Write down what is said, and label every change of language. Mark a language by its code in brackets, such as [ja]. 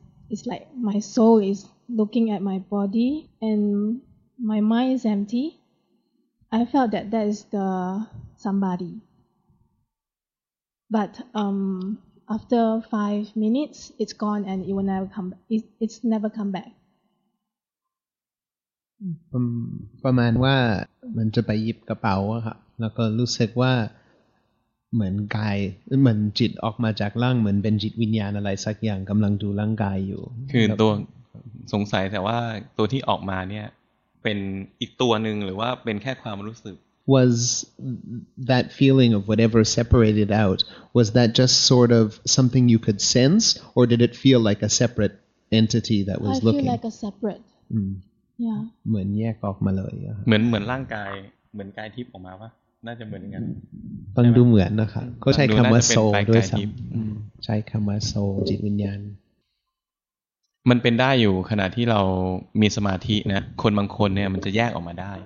[en] It's like my soul is looking at my body and my mind is empty. I felt that that is the somebody. But after 5 minutes, it's gone and it will never come back. It's never come back. [th] ประมาณว่ามันจะไปหยิบกระเป๋าอะครับแล้วก็รู้สึกว่าเหมือนกายเหมือนจิตออกมาจากร่างเหมือนเป็นจิตวิญญาณอะไรสักอย่างกำลังดูร่างกายอยู่ คือตัวสงสัยแต่ว่าตัวที่ออกมาเนี่ยเป ป็นอีกตัวนึงหรือว่าเป็นแค่ความรู้สึก [en] Was that feeling of whatever separated out, was that just sort of something you could sense, or did it feel like a separate entity that was looking? I feel like a separate. Yeah. [th] เหมือนแยกออกมาเลย เหมือนร่างกายเหมือนกายทิพย์ออกมาปะน่าจะเหมือนกัน ฟังดูเหมือนนะคะเขาใช้คำว่า soul ด้วยซ้ำใช้คำว่า soul จิตวิญญาณ มันเป็นได้อยู่ขณะที่เรามีสมาธินะคนบางคนเนี่ยมันจะแยกออกมาได